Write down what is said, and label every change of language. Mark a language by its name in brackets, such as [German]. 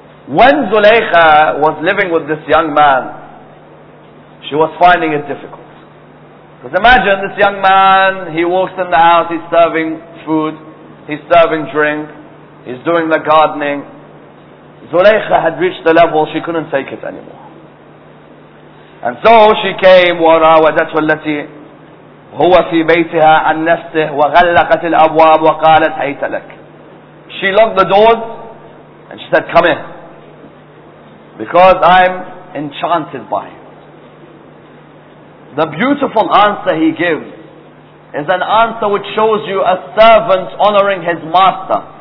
[English] When Zulaykha was living with this young man, she was finding it difficult. Because imagine this young man, he walks in the house, he's serving food, he's serving drink, he's doing the gardening. Zulaykha had reached the level she couldn't take it anymore. And so she came, [Arabic] وَرَاوَدَتْهُ الَّتِي هُوَ فِي بَيْتِهَا عَنْ نَفْسِهِ وَغَلَّقَتِ الْأَبْوَابُ وَقَالَتْ هَيْتَ لَكَ. [English] She locked the doors and she said, come in. Because I'm enchanted by it. The beautiful answer he gives is an answer which shows you a servant honoring his master.